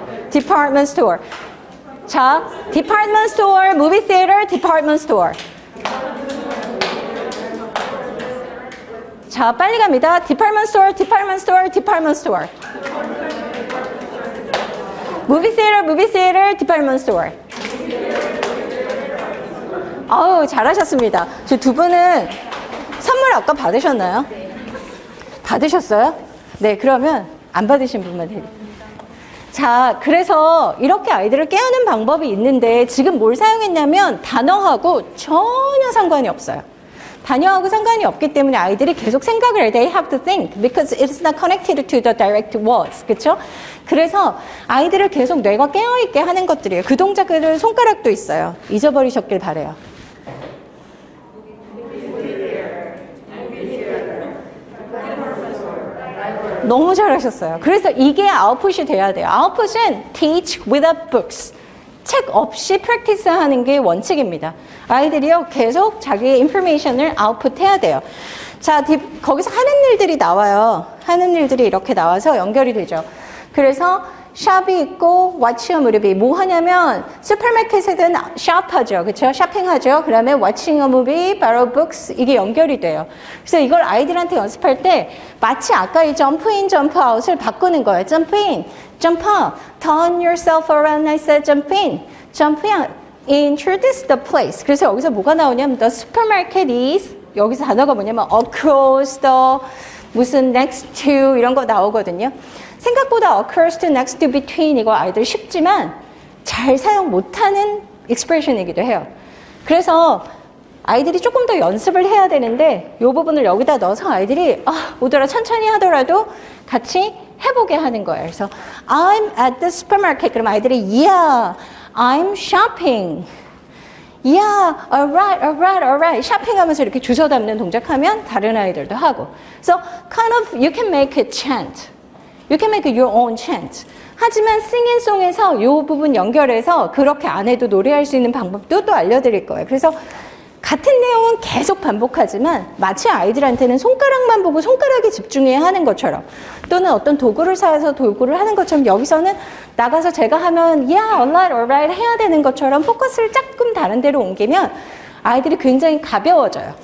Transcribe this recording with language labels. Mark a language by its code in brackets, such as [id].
[en] department store. 자, department store, movie theater, department store. [ko] 자, 빨리 갑니다. department store. [en] movie theater, department store. [ko] 아우, 잘하셨습니다. 저 두 분은 선물 아까 받으셨나요? 받으셨어요? 네, 그러면 안 받으신 분만 해요. 자, 그래서 이렇게 아이들을 깨우는 방법이 있는데 지금 뭘 사용했냐면 단어하고 전혀 상관이 없어요. 단어하고 상관이 없기 때문에 아이들이 계속 생각을 해. [en] They have to think because it's not connected to the direct words. [ko] 그렇죠? 그래서 아이들을 계속 뇌가 깨어있게 하는 것들이에요. 그 동작들은 손가락도 있어요. 잊어버리셨길 바래요. 너무 잘하셨어요. 그래서 이게 아웃풋이 돼야 돼요. [en] 아웃풋은 teach without books. [ko] 책 없이 practice 하는 게 원칙입니다. 아이들이요, 계속 자기의 information을 output 해야 돼요. 자, 거기서 하는 일들이 나와요. 하는 일들이 이렇게 나와서 연결이 되죠. 그래서 샵이 있고 what's your movie 뭐 하냐면 슈퍼마켓에든 샵하죠. 그렇죠? 쇼핑하죠. 그러면 what's your movie, borrow books 이게 연결이 돼요. 그래서 이걸 아이들한테 연습할 때 마치 아까 이 점프 인 점프 아웃을 바꾸는 거예요. [en] 점프 인 점프 아웃 turn yourself around I said jump in jump in introduce the place. [ko] 그래서 여기서 뭐가 나오냐면 [en] the supermarket is [ko] 여기서 단어가 뭐냐면 across the 무슨 next to 이런 거 나오거든요. 생각보다 occurs to, next to, between 이거 아이들 쉽지만 잘 사용 못하는 expression이기도 해요. 그래서 아이들이 조금 더 연습을 해야 되는데 이 부분을 여기다 넣어서 아이들이 아, 오더라 천천히 하더라도 같이 해보게 하는 거예요. 그래서 [en] I'm at the supermarket. [ko] 그럼 아이들이 [en] Yeah, I'm shopping. Yeah, alright. Shopping [ko] 하면서 이렇게 주워 담는 동작하면 다른 아이들도 하고 [en] So kind of you can make a chant. You can make your own chant. [ko] 하지만 singing song에서 이 부분 연결해서 그렇게 안 해도 노래할 수 있는 방법도 또 알려드릴 거예요. 그래서 같은 내용은 계속 반복하지만 마치 아이들한테는 손가락만 보고 손가락에 집중해야 하는 것처럼 또는 어떤 도구를 사서 도구를 하는 것처럼 여기서는 나가서 제가 하면 alright 해야 되는 것처럼 포커스를 조금 다른 데로 옮기면 아이들이 굉장히 가벼워져요.